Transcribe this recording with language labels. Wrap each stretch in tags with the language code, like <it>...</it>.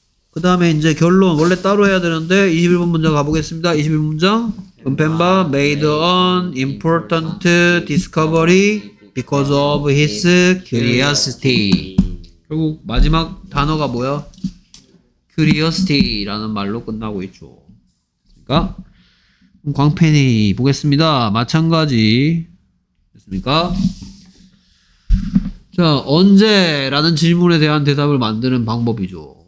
<ko>그 다음에 이제 결론 원래 따로 해야 되는데 21번 문장 가보겠습니다. 21번 문장.</ko> <en>은펜바 made an important discovery because of his curiosity.</en> <ko>결국 마지막 단어가 뭐야? curiosity라는 말로 끝나고 있죠. 됐습니까? 그럼 광팬이 보겠습니다. 마찬가지 됐습니까? 자, 언제라는 질문에 대한 대답을 만드는 방법이죠.</ko>